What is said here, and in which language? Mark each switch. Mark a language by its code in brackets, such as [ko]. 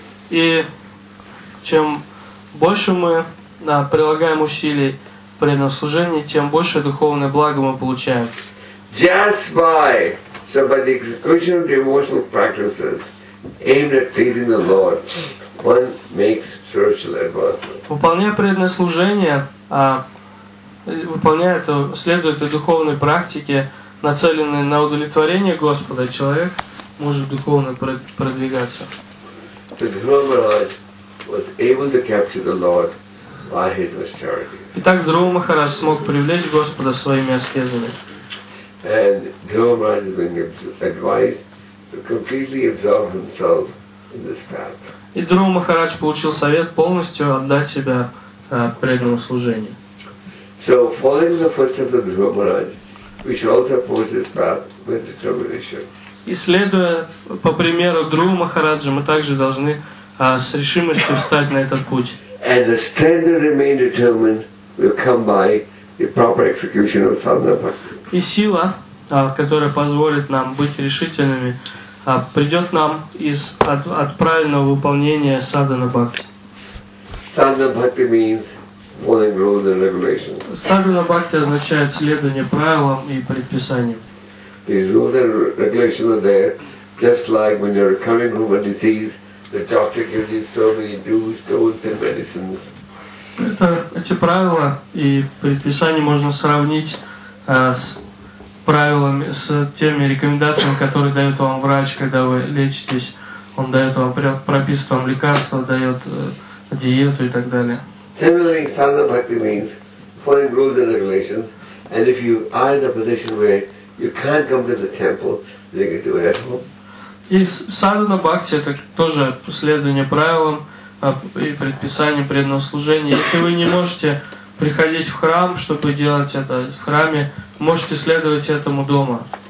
[ru] И чем больше мы прилагаем усилий в преданном служении, тем больше духовное благо мы получаем. [en] Just by So by the execution of devotional practices aimed at pleasing the Lord, one makes spiritual advancement. [ru] Выполняя преданное служение, выполняя это, следуя этой духовной практике, нацеленной на удовлетворение Господа, человек может духовно продвигаться. [en] Druva Maharaj was able to capture the Lord by his austerities. [ru] Итак, Друва Махарадж смог привлечь Господа своими аскезами. [en] And Druva Maharaj has been advised to completely absorb himself in this path. [ru] И Друва Махарадж получил совет полностью отдать себя преданному служению. [en] So following the footsteps of Druva Maharaj, we should also pursue this path with determination. [ru] И следуя по примеру Друва Махараджа, мы также должны с решимостью встать на этот путь. [en] And the strength to remain determined will come by the proper execution of sadhana practice. [ru] И сила, которая позволит нам быть решительными, придет нам от правильного выполнения садхана бхакти. [en] Садхана бхакти means following rules and regulations. [ru] Садхана бхакти означает следование правилам и предписаниям. [en] These rules and regulations are there, just like when you're recovering from a disease, the doctor gives you so many do's, don'ts and medicines. [ru] Эти правила и предписания можно сравнить с правилами, с теми рекомендациями, которые дает вам врач, когда вы лечитесь. Он дает вам, прописывает вам лекарства, дает диету и так далее. [en] Similarly, sadhana bhakti means following rules and regulations, and if you are in a position where you can't come to the temple, then you can do it at home. [ru] И sadhana bhakti это тоже следование правилам и предписаниям преданного служения. Если вы не можете приходить в храм, чтобы делать это в храме, можете следовать этому дома.